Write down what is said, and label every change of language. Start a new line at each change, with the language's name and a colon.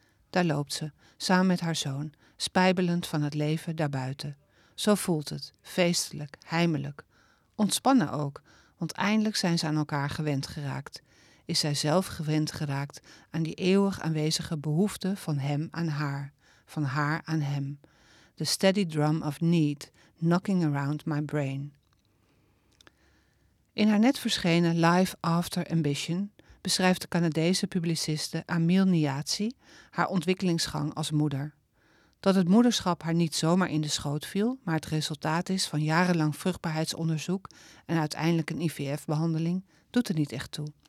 Dutch: Daar loopt ze, samen met haar zoon, spijbelend van het leven daarbuiten. Zo voelt het, feestelijk, heimelijk. Ontspannen ook, want eindelijk zijn ze aan elkaar gewend geraakt. Is zij zelf gewend geraakt aan die eeuwig aanwezige behoefte van hem aan haar, van haar aan hem.
English: The steady drum of need, knocking around my brain.
Dutch: In haar net verschenen Life After Ambition beschrijft de Canadese publiciste Amiel Niazi haar ontwikkelingsgang als moeder. Dat het moederschap haar niet zomaar in de schoot viel, maar het resultaat is van jarenlang vruchtbaarheidsonderzoek en uiteindelijk een IVF-behandeling, doet er niet echt toe.